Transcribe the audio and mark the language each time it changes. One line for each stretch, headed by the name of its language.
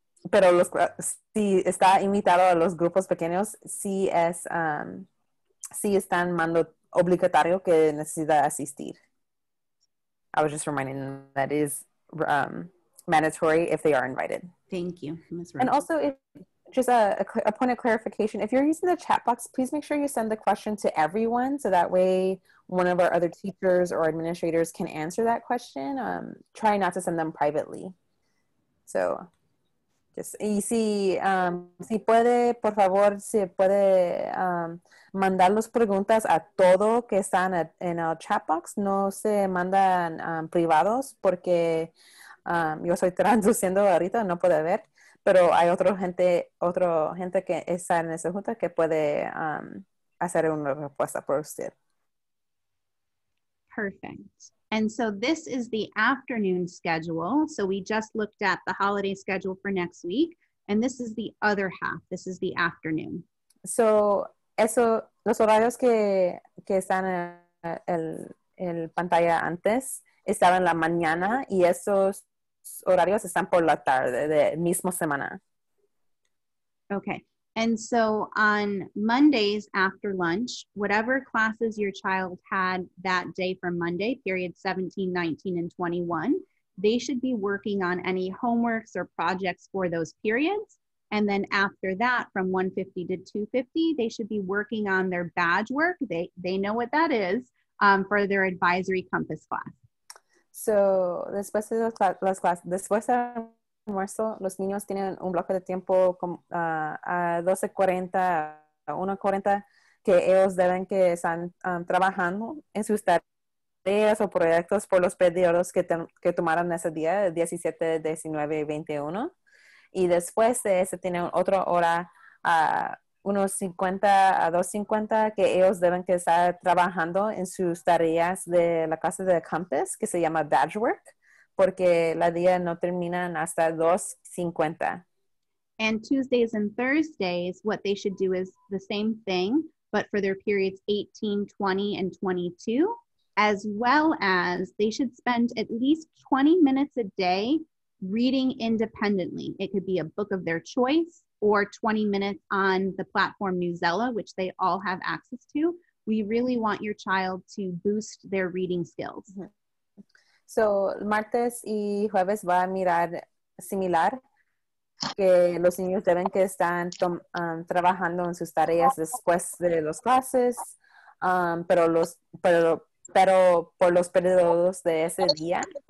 Spanish: Pero si está invitado a los grupos pequeños, sí están mando obligatorio que necesita asistir.
English: I was just reminding them that is mandatory if they are invited. Thank you. And also, if just a point of clarification, if you're using the chat box, please make sure you send the question to everyone, so that way one of our other teachers or administrators can answer that question. Try not to send them privately.
Spanish: So, just, y si, si puede, por favor, si puede mandarnos preguntas a todo que están en el chat box, no se mandan privados porque yo estoy traduciendo ahorita, no puede ver, pero hay otro gente que está en esa junta que puede hacer una respuesta por usted.
English: Perfect. And so this is the afternoon schedule. So we just looked at the holiday schedule for next week. And this is the other half. This is the afternoon.
Spanish: So eso, los horarios que están en el pantalla antes estaban en la mañana y esos horarios están por la tarde de mismo semana.
English: Okay. And so on Mondays after lunch, whatever classes your child had that day for Monday, period 17, 19, and 21, they should be working on any homeworks or projects for those periods. And then after that, from 1:50 to 2:50, they should be working on their badge work. They know what that is for their advisory compass class.
Spanish: So después de las clases, después de almuerzo, los niños tienen un bloque de tiempo a 12:40, 1:40, que ellos deben que están trabajando en sus tareas o proyectos por los periodos que tomaron ese día, 17, 19 y 21. Y después de ese tienen otra hora a 1:50 a 2:50, que ellos deben que estar trabajando en sus tareas de la clase de campus, que se llama badge work, porque la día no terminan hasta 2:50.
English: And Tuesdays and Thursdays, what they should do is the same thing, but for their periods 18, 20, and 22, as well as they should spend at least 20 minutes a day reading independently. It could be a book of their choice or 20 minutes on the platform Newzella, which they all have access to. We really want your child to boost their reading skills. Mm-hmm.
Spanish: So, martes y jueves va a mirar similar, que los niños deben que están trabajando en sus tareas después de las clases, pero por los periodos de ese día.